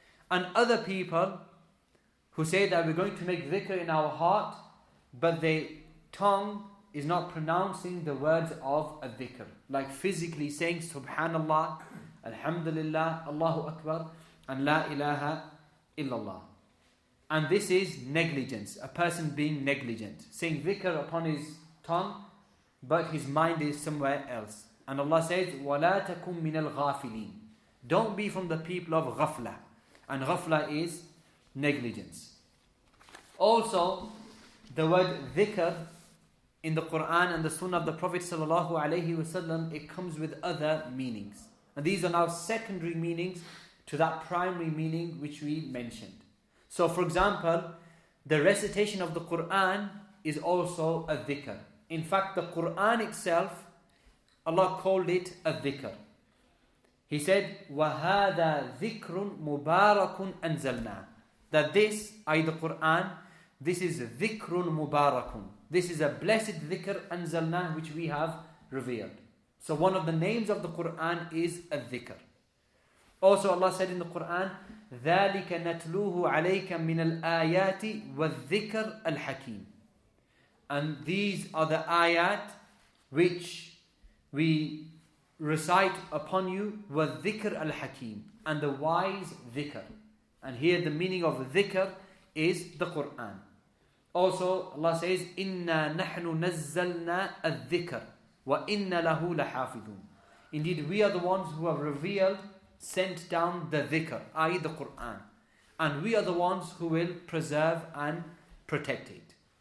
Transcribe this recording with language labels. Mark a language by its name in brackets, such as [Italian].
[English] And other people who say that we're going to make dhikr in our heart, but their tongue is not pronouncing the words of a dhikr, like physically saying Subhanallah, Alhamdulillah, Allahu Akbar, and La ilaha illallah. And this is negligence, a person being negligent, saying dhikr upon his tongue, but his mind is somewhere else. And Allah says, [Arabic] وَلَا تَكُمْ مِنَ الْغَافِلِينَ. [English] Don't be from the people of ghafla. And ghafla is negligence. Also, the word dhikr in the Quran and the Sunnah of the Prophet sallallahu alaihi wasallam, it comes with other meanings. And these are now secondary meanings to that primary meaning which we mentioned. So for example, the recitation of the Quran is also a dhikr. In fact, the Quran itself, Allah called it a dhikr. He said, [Arabic] وَهَذَا ذِكْرٌ مُبَارَكٌ أَنزَلْنَا. [English] That this, i.e. the Quran, this is [Arabic] ذِكْرٌ مُبَارَكٌ. [English] This is a blessed dhikr [Arabic] أَنزَلْنَا [English] which we have revealed. So one of the names of the Quran is a dhikr. Also Allah said in the Quran, [Arabic] ذَلِكَ نَتْلُوهُ عَلَيْكَ مِنَ الْآيَاتِ وَالذِّكْرِ الْحَكِيمِ. [English] And these are the ayat which we recite upon you, [Arabic] وَالذِّكْرِ الْحَكِيمِ, [English] and the wise dhikr. And here the meaning of dhikr is the Quran. Also Allah says, [Arabic] إِنَّا نَحْنُ نَزَّلْنَا الذِّكْرِ وَإِنَّ لَهُ لَحَافِظُونَ. [English] Indeed, we are the ones who have revealed, sent down the dhikr, i.e. the Quran. And we are the ones who will preserve and protect it.